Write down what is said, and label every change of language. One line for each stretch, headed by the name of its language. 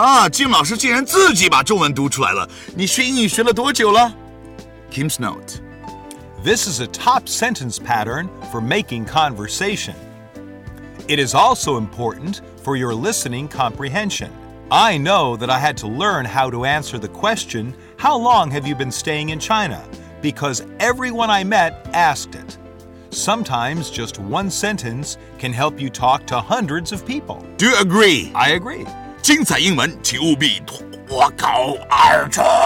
Chinese: Jim 老师竟然自己把中文读出来了。你学英语学了多久了？
English: Kim's note. This is a top sentence pattern for making conversation. It is also important for your listening comprehension. I know that I had to learn how to answer the question, how long have you been staying in China? Because everyone I met asked it. Sometimes just one sentence can help you talk to hundreds of people. Do you agree? I agree.
Chinese: 精彩英文，请务必脱口而出。